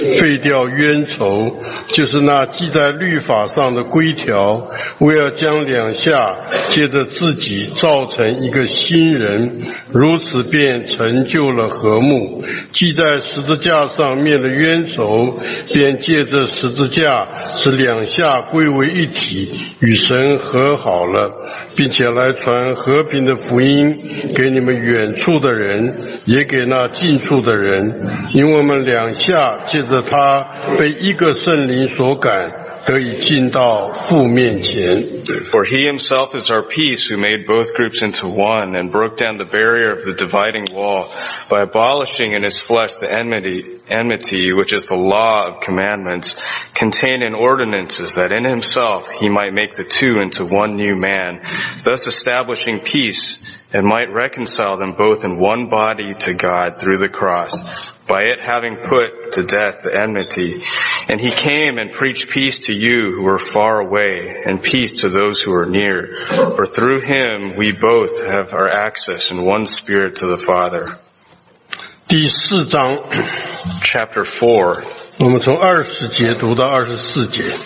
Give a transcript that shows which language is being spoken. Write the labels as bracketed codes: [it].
[zh] 废掉冤仇，就是那记在律法上的规条，为要将两下借着自己造成一个新人，如此便成就了和睦，记在十字架上灭了冤仇，便借着十字架使两下归为一体，与神和好了，并且来传和平的福音给你们远处的人，也给那近处的人，因为我们两下借着他被一个圣灵所感，得以进到父面前。 [en] For he himself is our peace, who made both groups into one, and broke down the barrier of the dividing wall, by abolishing in his flesh the enmity, which is the law of commandments, contained in ordinances, that in himself he might make the two into one new man, thus establishing peace, and might reconcile them both in one body to God through the cross. By it having put to death the enmity. And he came and preached peace to you who were far away, and peace to those who are near. For through him we both have our access in one spirit to the Father. [zh] 第四章 [en] Chapter 4. [zh] 我们从二十节读到二十四节。